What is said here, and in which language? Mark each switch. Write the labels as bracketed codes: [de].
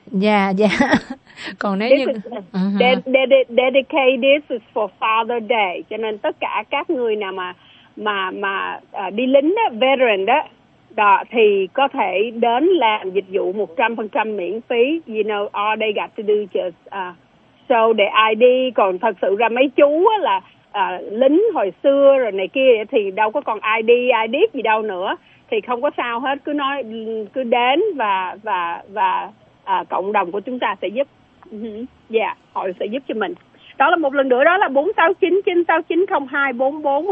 [en] Yeah, yeah. [vi] Còn nếu [en] this [vi] như... [en] Dedicated, this is for Father Day. [vi] Cho nên tất cả các người nào mà đi lính đó, veteran đó, đó, thì có thể đến làm dịch vụ 100% miễn phí. [en] You know, all they got to do just show their ID. [vi] Còn thật sự ra mấy chú là lính hồi xưa rồi này kia thì đâu có còn ID, ID gì đâu nữa. Thì không có sao hết, cứ nói, cứ đến và cộng đồng của chúng ta sẽ giúp. Yeah, họ sẽ giúp cho mình. Đó là một lần nữa, đó là 469-969-0244.